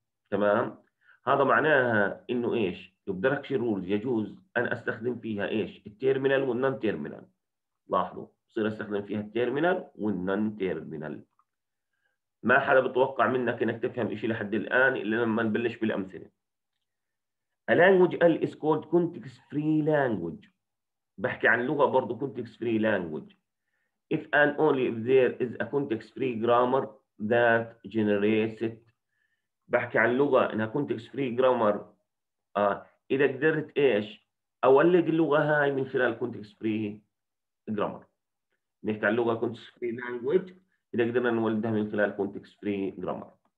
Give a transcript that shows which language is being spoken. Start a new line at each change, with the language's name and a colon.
Arabic: تمام، هذا معناها انه ايش؟ البرودكشن رولز يجوز انا استخدم فيها ايش؟ التيرمينال والنون تيرمينال. لاحظوا، بصير استخدم فيها التيرمينال والنون تيرمينال. ما حدا بتوقع منك انك تفهم شيء لحد الان الا لما نبلش بالامثله.
English: A language L is called context free language.
Arabic: بحكي عن لغه برضه context free language.
English: If and only if there is a context free grammar that generates it.
Arabic: بحكي عن لغه انها context free grammar. اذا قدرت ايش؟ اولد اللغه هاي من خلال context free grammar. نحكي عن لغه context free language اذا قدرنا نولدها من خلال context free grammar.